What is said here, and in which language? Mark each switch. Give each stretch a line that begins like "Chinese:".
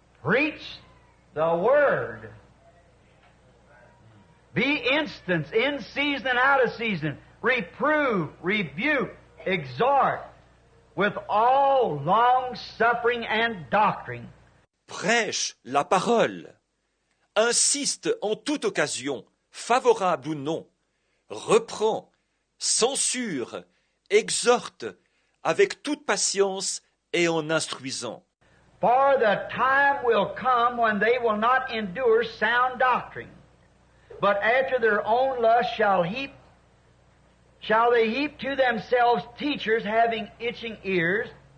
English: Preach the word. Be instant, in season and out of season. Reprove, rebuke, exhort, with all long suffering and doctrine.
French: Prêche la parole. Insiste en toute occasion. Favorable ou non, reprend, censure, exhorte avec toute patience et en instruisant.
English: For the time will come when they will not endure sound doctrine, but after their own lust shall they heap to themselves teachers having itching ears.